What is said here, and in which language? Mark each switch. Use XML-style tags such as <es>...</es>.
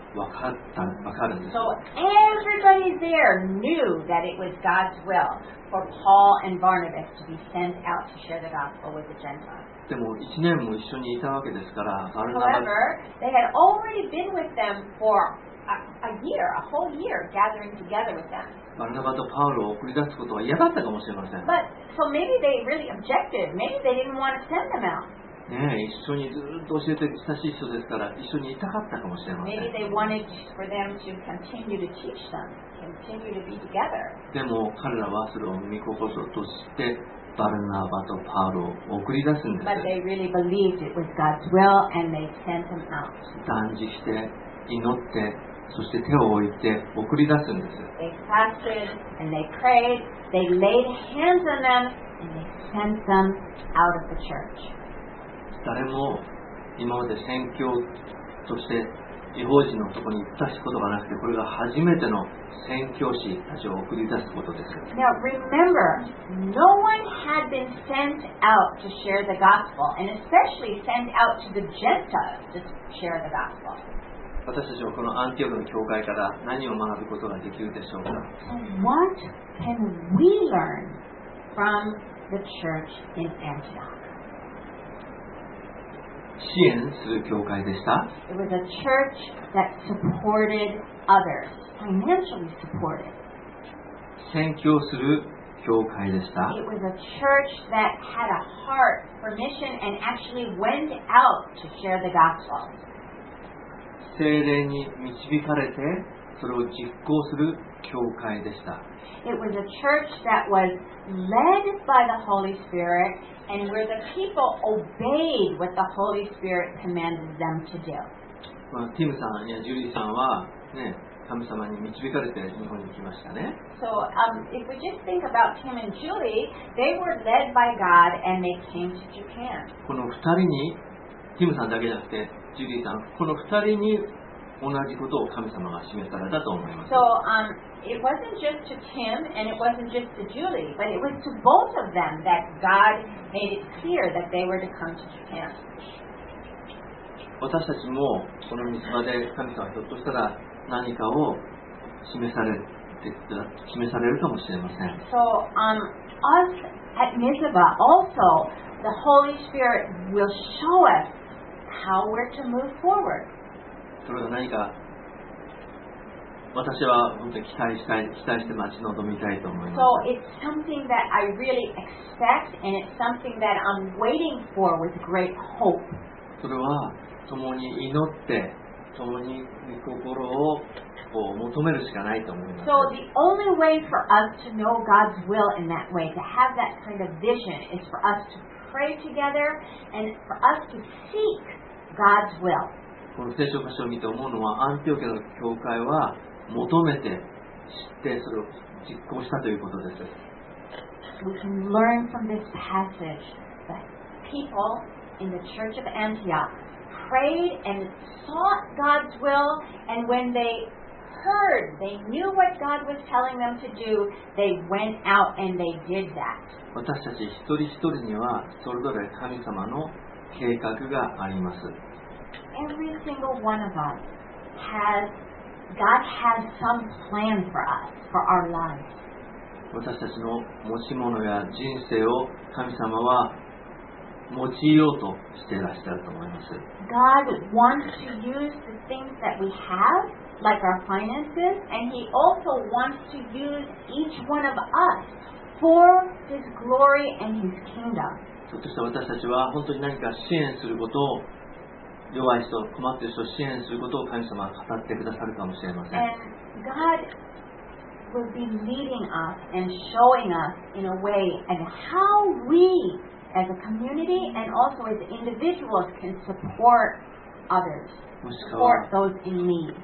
<ja>分かるんです。</ja> <en>So everybody there knew that it was God's will for Paul and Barnabas to be sent out to share the gospel with the Gentiles.</en> <ja>でも1年も一緒にいたわけですから、バルナバス。</ja> <en>However, they had already been with them for a year, a whole year, gathering together with them.</en> <ja>バルナバとパウロを送り出すことは嫌だったかもしれません。</ja> <en>But so maybe they really objected. Maybe they didn't want to send them out.</en> <ja>ね、一緒にずっと教えて親しい人ですから一緒にいたかったかもしれません。</ja> <en>Maybe they wanted for them to continue to teach them, continue to be together.</en> <ja>でも彼らはそれを御心としてバルナバとパウロを送り出すんです。</ja> <en>But they really believed it was God's will and they sent them out.</en> <ja>断じして祈ってそして手を置いて送り出すんです。</ja> <en>They fasted and they prayed, they laid hands on them and they sent them out of the church.</en> <ja>誰も今まで宣教として異邦人のところに行ったことがなくて、これが初めての宣教師たちを送り出すことです。</ja> <en>Now remember, no one had been sent out to share the gospel, and especially sent out to the Gentiles to share the gospel.</en> <ja>私たちはこのアンティオクの教会から何を学ぶことができるでしょうか。</ja> <en>What can we learn from the church in Antioch?</en> <ja>支援する教会でした。</ja> <en>It was a church that supported others, financially supported.</en> <ja>宣教する教会でした。</ja> <en>It was a church that had a heart for mission and actually went out to share the gospel.</en> <ja>聖霊に導かれてそれを実行する教会でした。</ja> <en>It was a church that was led by the Holy Spirit. And where the people obeyed what the Holy Spirit commanded them to do.</en> <ja>Well, Tim さんやジュリーさんはね、神様に導かれて日本に来ましたね。</ja> <en>So, if we just think about Tim and Julie, they were led by God and they came to Japan.</en> <ja>この二人に、Tim さんだけじゃなくて、ジュリーさん、この二人に同じことを神様が示されたと思います。</ja> <en>So, it wasn't just to Tim and it wasn't just to Julie, but it was to both of them that God made it clear that they were to come to Japan.</en> <ja>私たちもこの御言葉で神様はひょっとしたら何かを示されるかもしれません。</ja> <en>So, us at Mizpah also, the Holy Spirit will show us how we're to move forward.</en> <ja>それが何か私は本当に期待して待ち望みたいと思います。</ja> <en>So it's something that I really expect and it's something that I'm waiting for with great hope.</en> <ja>それは共に祈って共に御心をこう求めるしかないと思います。</ja> <en>So the only way for us to know God's will in that way, to have that kind of vision, is for us to pray together and for us to seek God's will.</en> <ja>この聖書箇所を見て思うのは、アンティオキアの教会は求めて知ってそれを実行したということです。</ja> <en>We can learn from this passage that people in the church of Antioch prayed and sought God's will, and when they heard, they knew what God was telling them to do, they went out and they did that.</en> <ja>私たち一人一人にはそれぞれ神様の計画があります。</ja> <en>Every single one of us has God has some plan for us for our lives.</en> <ja>私たちの持ち物や人生を神様は用いようとしていらっしゃると思います。</ja> <en>God wants to use the things that we have, like our finances, and He also wants to use each one of us for His glory and His kingdom.</en> <ja>そして私たちは本当に何か支援することを弱い人、困っている人を支援することを神様は語ってくださるかもしれません。</ja> <en>And God will be leading us and showing us in a way and how we as a community and also as individuals can support others, support those in need.</en>